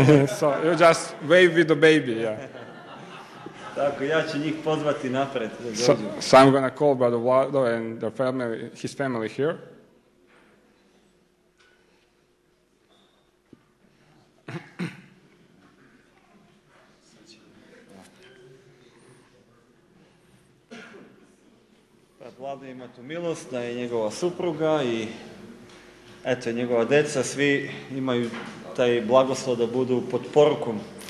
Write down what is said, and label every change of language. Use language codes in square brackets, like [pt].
[en] So you just wave with the baby, yeah. [sr] Tako, ja ću njih pozvati napred da dođu. [en] So I'm gonna call brother Vlado and his family here. [sr] Brat Vlado ima tu milost da je njegova supruga i eto njegova deca, svi imaju taj blagoslov da budu pod porukom.